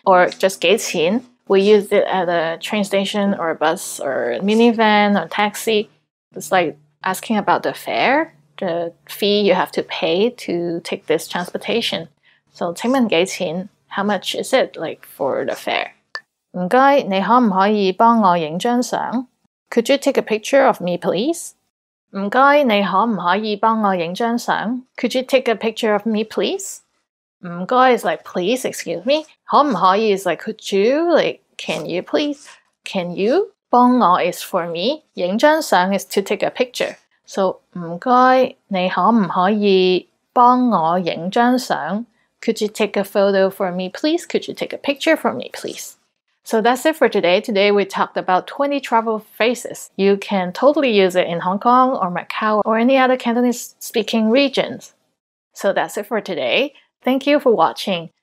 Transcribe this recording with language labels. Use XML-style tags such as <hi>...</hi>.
<en>or just</en> <yue>幾錢?</yue> <en>We use it at a train station or a bus or minivan or taxi. It's like asking about the fare, the fee you have to pay to take this transportation.</en> <yue>So 請問幾錢?</yue> <en>How much is it like for the fare?</en> <yue>唔該，你可唔可以幫我影張相?</yue> <en>Could you take a picture of me, please?</en> <yue>唔該，你可唔可以幫我影張相?</yue> <en>Could you take a picture of me, please?</en> <yue>唔該</yue> <en>is like please, excuse me.</en> <yue>可唔可以</yue> <en>is like could you, like can you please? Can you?</en> <yue>幫我</yue> <en>is for me.</en> <yue>影張相</yue> <en>is to take a picture. So</en> <yue>唔該，你可唔可以幫我影張相?</yue> <en>Could you take a photo for me, please? Could you take a picture for me, please? So that's it for today. Today we talked about 20 travel phrases. You can totally use it in Hong Kong or Macau or any other Cantonese speaking regions. So that's it for today. Thank you for watching.</en>